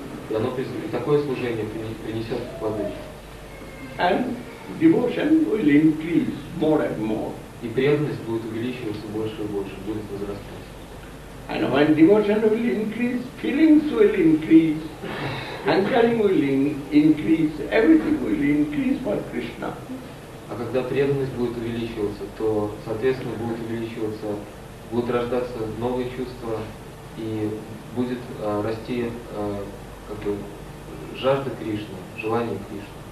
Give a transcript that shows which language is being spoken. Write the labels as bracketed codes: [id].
[ru] И оно, и такое служение принесет плоды. [en] And devotion will increase more and more. [ru] И преданность будет увеличиваться больше и больше, будет возрастать. [en] And when devotion will increase, feelings will increase, hankering will increase, everything will increase for Krishna. [ru] А когда преданность будет увеличиваться, то, соответственно, будет увеличиваться, будут рождаться новые чувства и будет расти как бы жажда Кришны, желание Кришны.